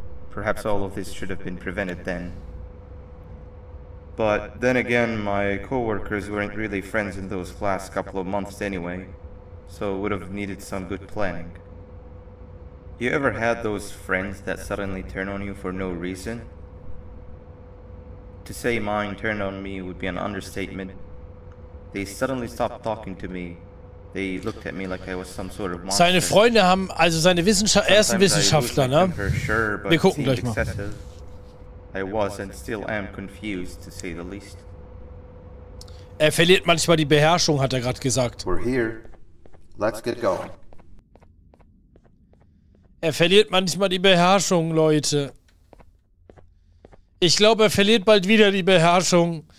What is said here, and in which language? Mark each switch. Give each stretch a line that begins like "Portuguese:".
English: Perhaps all of this should have been prevented then. But then again, my co-workers weren't really friends in those last couple of months anyway. So it would have needed some good planning. You ever had those friends that suddenly turn on you for no reason? To say mine turned on me would be an understatement. They suddenly stopped talking to me. They looked at me like I was some sort of monster.
German: Seine Freunde haben, also seine Wissenschaftler, er ist ein Wissenschaftler, ne?
English: Sure,
German: wir gucken gleich mal.
English: I was and still am confused, to say the least.
German: Er verliert manchmal die Beherrschung, hat er gerade gesagt.
English: We're here. Let's get going.
German: Er verliert manchmal die Beherrschung, Leute. Ich glaube, er verliert bald wieder die Beherrschung.